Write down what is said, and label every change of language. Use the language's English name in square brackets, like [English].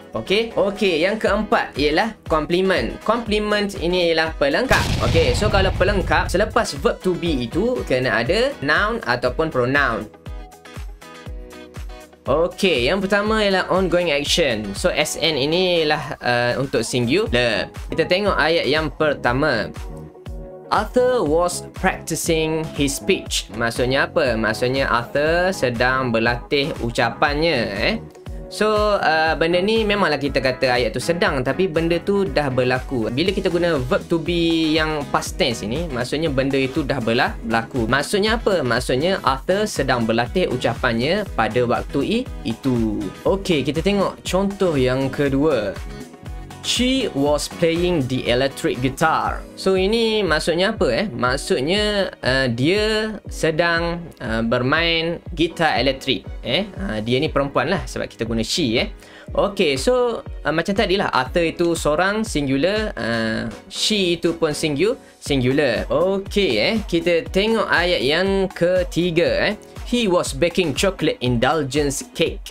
[Malay] Okay, yang keempat ialah compliment. Compliment ini ialah pelengkap. Okay, so kalau pelengkap selepas verb to be itu kena ada noun ataupun pronoun. Okay, yang pertama ialah ongoing action. So, SN inilah untuk singular. Kita tengok ayat yang pertama. [English] Arthur was practicing his speech. [Malay] Maksudnya apa? Maksudnya Arthur sedang berlatih ucapannya So, benda ni memanglah kita kata ayat tu sedang, tapi benda tu dah berlaku. Bila kita guna verb to be yang past tense ini, maksudnya benda itu dah berlaku. Maksudnya apa? Maksudnya Arthur sedang berlatih ucapannya pada waktu itu. Okay, kita tengok contoh yang kedua. [English] She was playing the electric guitar. [Malay] So, ini maksudnya apa Maksudnya, dia sedang bermain gitar elektrik Dia ni perempuan lah sebab kita guna she Okay, so macam tadi lah Arthur itu seorang singular She itu pun singular Okay, kita tengok ayat yang ketiga He was baking chocolate indulgence cake.